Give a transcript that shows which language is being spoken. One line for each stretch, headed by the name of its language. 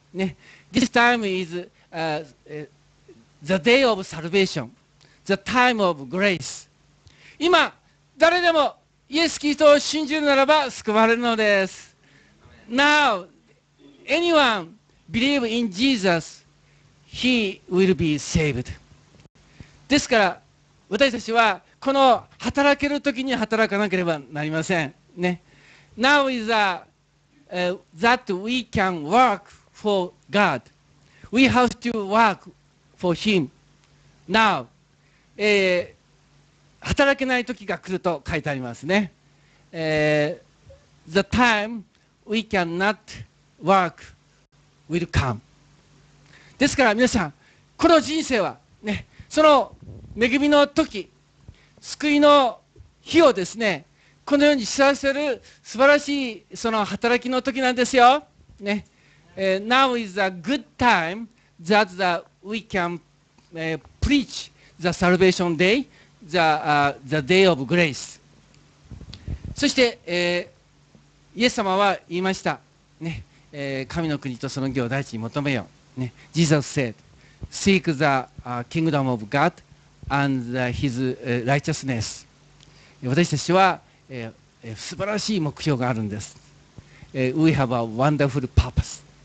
English: ね、this time is the day of salvation, the time of grace.
Japanese: 今、誰でもイエス・キリストを信じるならば救われるのです。
English: Now, anyone,Believe in Jesus, he will be saved.
Japanese: ですから私たちはこの働けるときに働かなければなりません、ね、
English: Now is that we can work for God. We have to work for him. Now、
Japanese: 働けないときが来ると書いてありますね、
English: The time we cannot workWill come.
Japanese: ですから皆さん、この人生は、ね、その恵みの時、救いの日をですね、このように知らせる素晴らしいその働きの時なんですよ。
English: ね、Now is a good time that the, we can、preach the salvation day, the day of grace.
Japanese: そして、イエス様は言いました。ね、神の国とその義を第一に求めよう、ね、
English: Jesus said Seek the kingdom of God and his righteousness。
Japanese: 私たちは、素晴らしい目標があるんです、
English: We have a wonderful purpose。